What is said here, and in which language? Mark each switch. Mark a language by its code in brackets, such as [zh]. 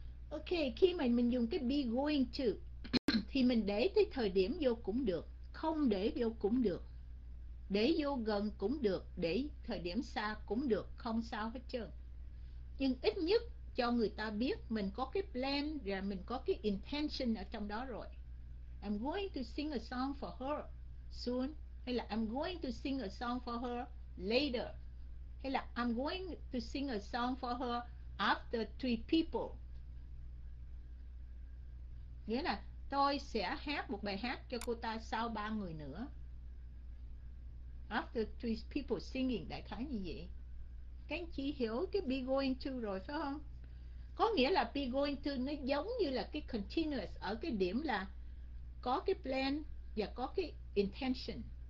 [vi] Ok, khi mà mình dùng cái be going to thì mình để tới thời điểm vô cũng được, không để vô cũng được, để vô gần cũng được, để thời điểm xa cũng được, không sao hết trơn. Nhưng ít nhất cho người ta biết mình có cái plan và mình có cái intention ở trong đó rồi. [en] I'm going to sing a song for her soon, [vi] hay là [en] I'm going to sing a song for her later, hay là I'm going to sing a song for her after three people. [vi] Nghĩa là tôi sẽ hát một bài hát cho cô ta sau ba người nữa. [en] After three people singing, [vi] đại khái như vậy. Các anh chị hiểu cái be going to rồi phải không? Có nghĩa là be going to nó giống như là cái continuous ở cái điểm là có cái plan và có cái intention.